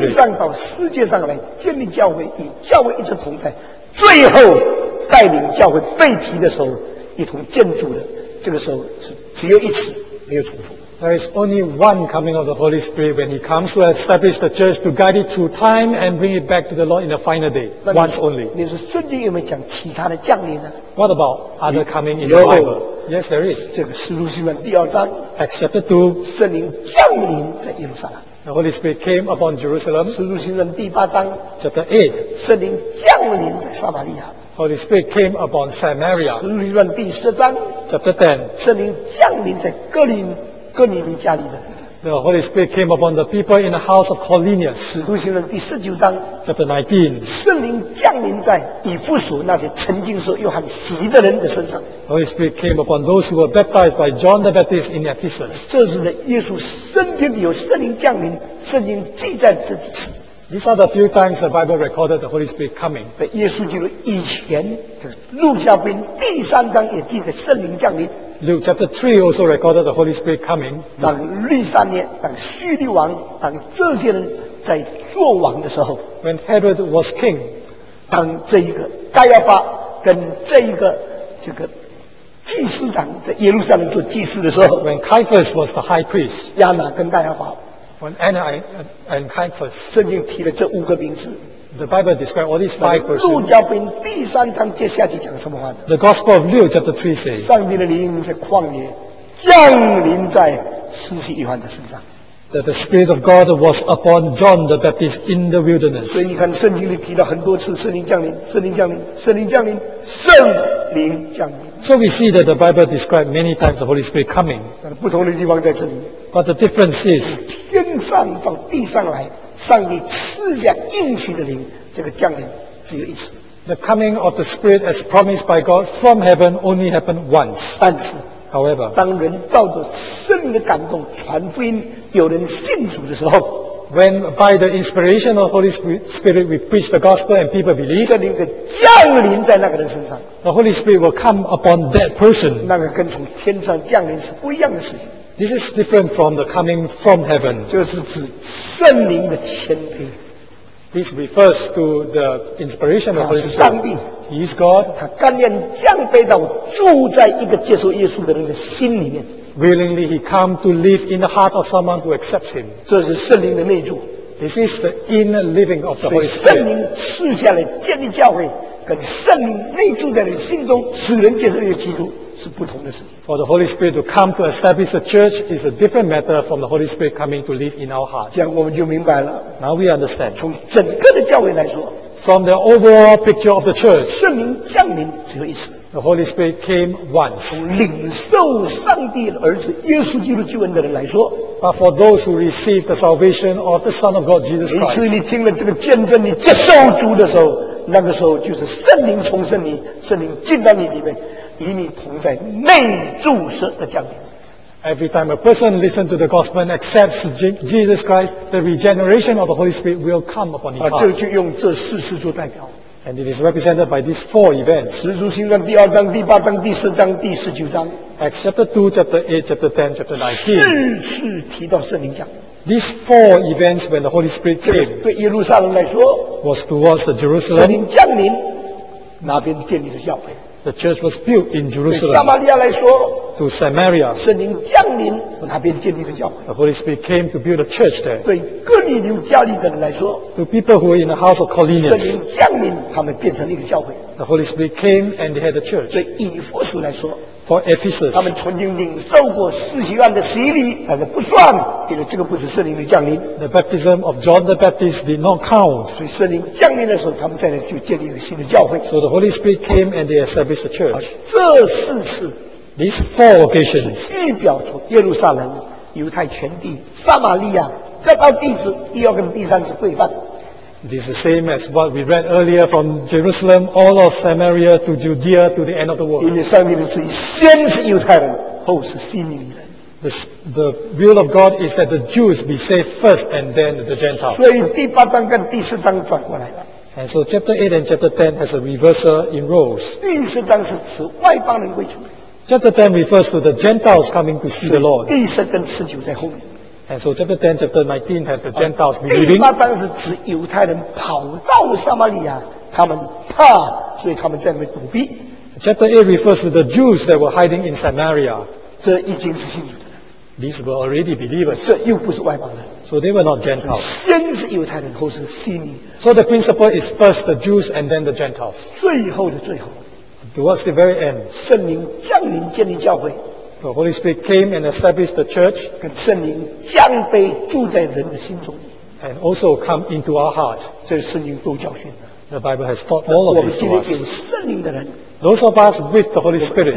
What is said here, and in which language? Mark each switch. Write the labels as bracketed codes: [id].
[zh] 天上到世界上来建立教会与教会一直同在最后带领教会被提的时候一同建筑的这个时候是只有一次没有重复 [en] There is only one coming of the Holy Spirit when He comes to establish the church to guide it through time and bring it back to the Lord in the final day. Once only. [zh] 你说圣经有没有讲其他的降临呢 [en] ？What about other coming in the Bible? Yes, there is. [zh] 这个使徒行传第二章。 [en] Acts chapter two. [zh] 圣灵降临在耶路撒冷。 [en] The Holy Spirit came upon Jerusalem. [zh] 使徒行传第八章。 [en] Chapter eight. [zh] 圣灵降临在撒玛利亚。 [en] Holy Spirit came upon Samaria. [zh] 使徒行传第十章。 [en] Chapter ten. [zh] 圣灵降临在哥林。哥尼流家里的 [en] The Holy Spirit came upon the people in the house of Cornelius. [zh] 使徒行传第十九章 [en] Chapter 19. [zh] 圣灵降临在以弗所那些曾经受约翰洗的人的身上 [en] Holy Spirit came upon those who were baptized by John the Baptist in Ephesus. [zh] 这是在耶稣生平里有圣灵降临，圣灵记载这几次 [en] These are the few times the Bible recorded the Holy Spirit coming. [zh] 在耶稣基督以前，路加福音第三章也记载圣灵降临。 [en] Luke chapter 3 also recorded the Holy Spirit coming. [zh] 当利沙涅、当叙利王、当这些人在做王的时候 [en] ，When Herod was king， [zh] 当这一个该亚法跟这一个这个祭司长在耶路撒冷做祭司的时候 [en] ，When Caiaphas was the high priest， [zh] 亚拿跟该亚法 [en] ，When Anna and Caiaphas， [zh] 圣经提了这五个名字。 [en] The Bible describes all these five persons. [zh] 路加福音第三章接下去讲什么话呢 [en] ？The Gospel of Luke chapter three says, [zh] 上帝的灵在旷野降临在施洗约翰的身上。 [en] That the Spirit of God was upon John the Baptist in the wilderness. [zh] 所以你看圣经里提了很多次圣灵降临，圣灵降临，圣灵降临，圣灵降临。 [en] So we see that the Bible describes many times the Holy Spirit coming. [zh] 不同的地方在这里。 [en] But the difference is, [zh] 天上到地上来。上帝赐下应许的灵，这个降临只有一次。 [en] The coming of the Spirit as promised by God from heaven only happened once. [zh] 但是 [en] ，However， [zh] 当人照着圣灵的感动传福音，有人信主的时候 [en] ，When by the inspiration of Holy Spirit we preach the gospel and people believe， [zh] 圣灵就降临在那个人身上。 [en] The Holy Spirit will come upon that person. [zh] 那个跟从天上降临是不一样的事情。 [en] This is different from the coming from heaven. [zh] 就是指圣灵的谦卑。 [en] This refers to the inspiration of Holy Spirit. [zh] 他是上帝。 [en] He is God. [zh] 他甘愿降卑到住在一个接受耶稣的人的心里面。 [en] Willingly he come to live in the heart of someone who accepts him. [zh] 这是圣灵的内住。 [en] This is the inner living of the Holy Spirit. [zh] 圣灵赐下来建立教会，跟圣灵内住在人心中，使人接受耶稣基督。是不同的事。 [en] For the Holy Spirit to come to establish the church is a different matter from the Holy Spirit coming to live in our hearts. [zh] 这样我们就明白了。 [en] Now we understand. [zh] 从整个的教会来说 [en] ，From the overall picture of the church, [zh] 圣灵降临只有一次。 [en] The Holy Spirit came once. [zh] 从领受上帝的儿子耶稣基督救恩的人来说 [en] ，But for those who receive the salvation of the Son of God Jesus Christ, [zh] 每次你听了这个见证，你接受主的时候，那个时候就是圣灵重生你，圣灵进到你里面。与你同在内住时的降临。 [en] Every time a person listens to the gospel and accepts Jesus Christ, the regeneration of the Holy Spirit will come upon his heart. [zh] 这就用这四事做代表。 [en] And it is represented by these four events. [zh] 使徒行传第二章、第八章、第十章、第十九章。 [en] Acts chapter 2, chapter 8, chapter 10, chapter [zh] 19. 四次提到圣灵降。 [en] These four events when the Holy Spirit came [zh] 对耶路撒冷来说 [en] was towards the Jerusalem. [zh] 圣灵降临，那边建立了教会。 [en] The church was built in Jerusalem. [zh] 对撒玛利亚来说 [en] to Samaria. [zh] 圣灵降临，那边建立了教会。 [en] The Holy Spirit came to build a church there. [zh] 对哥尼流家里的人来说 [en] to people who were in the house of Cornelius. [zh] 圣灵降临，他们变成了一个教会。 [en] The Holy Spirit came and they had a church. [zh] 对以弗所来说 [en] For Ephesus, [zh] 他们曾经领受过施洗约翰的洗礼，但是不算，因为这个不是圣灵的降临。 [en] The baptism of John the Baptist did not count. [zh] 所以圣灵降临的时候，他们在那就建立了新的教会。 [en] So the Holy Spirit came and they established the church. [zh] 这四次 [en] ，these four occasions， [zh] 是预表出耶路撒冷、犹太全地、撒玛利亚，再到地址第二跟第三次会幔。 [en] This is the same as what we read earlier from Jerusalem, all of Samaria to Judea to the end of the world. [zh] 因为上帝的旨意先是犹太人，后是希利尼人。 [en] The will of God is that the Jews be saved first and then the Gentiles. [zh] 所以第八章跟第十章转过来了。 [en] And so chapter 8 and chapter 10 has a reversal in roles. [zh] 第十章是指外邦人归主。 [en] Chapter 10 refers to the Gentiles coming to see the Lord. [zh] 第十跟十九在后面。 [en] And so chapter 10, chapter 19 have the Gentiles believing. [zh] 第八章是指犹太人跑到撒玛利亚，他们怕，所以他们在那边躲避。 [en] Chapter 8 refers to the Jews that were hiding in Samaria. [zh] 这已经是信主的。 [en] These were already believers. [zh] 这又不是外邦人。 [en] So they were not Gentiles. [zh] 先是犹太人，后是希利尼。 [en] So the principle is first the Jews and then the Gentiles. [zh] 最后的最后。 [en] Towards the very end. [zh] 圣灵降临建立教会。 [en] The Holy Spirit came and established the church. [zh] 跟圣灵降杯住在人的心中。 [en] And also come into our heart. [zh] 这是圣灵都教训的。 [en] The Bible has taught all of this to us. [zh] 我们今天有圣灵的人。 [en] Those of us with the Holy Spirit.